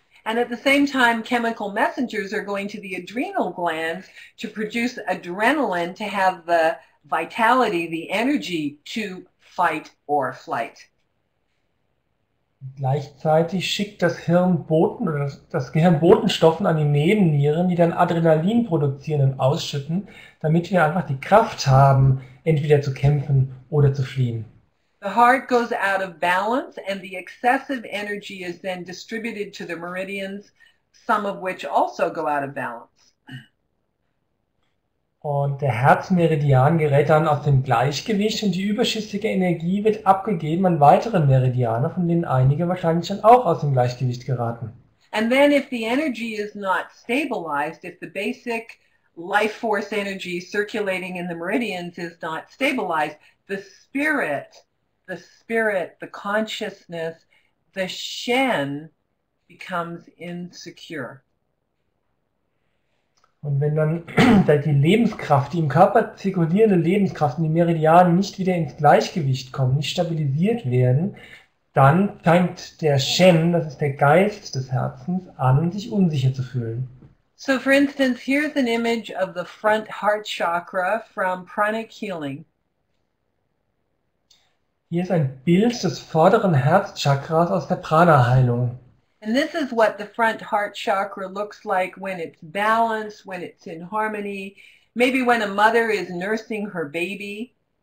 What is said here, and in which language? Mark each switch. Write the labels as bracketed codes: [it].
[en] And at the same time, chemical messengers are going to the adrenal glands to produce adrenaline to have the vitality, the energy to fight or flight. [de] Gleichzeitig schickt das Hirn Boten oder das Gehirn Botenstoffen an die Nebennieren, die dann Adrenalin produzieren und ausschütten, damit wir einfach die Kraft haben, entweder zu kämpfen oder zu fliehen. [en] The heart goes out of balance and the excessive energy is then distributed to the meridians, some of which also go out of balance. [de] Und der Herzmeridian gerät dann aus dem Gleichgewicht und die überschüssige Energie wird abgegeben an weitere Meridiane, von denen einige wahrscheinlich dann auch aus dem Gleichgewicht geraten. [en] And then if the energy is not stabilized, if the basic life force energy circulating in the meridians is not stabilized, the spirit, the consciousness, the Shen becomes insecure. [de] Und wenn dann die Lebenskraft, die im Körper zirkulierende Lebenskraft in den Meridianen nicht wieder ins Gleichgewicht kommen, nicht stabilisiert werden, dann fängt der Shen, das ist der Geist des Herzens, an, sich unsicher zu fühlen. [en] So for instance, here's an image of the front heart chakra from pranic healing. [de] Hier ist ein Bild des vorderen Herzchakras aus der Prana-Heilung. [en] And this is what the front heart chakra looks like when it's balanced, when it's in harmony, maybe when a mother is nursing her baby.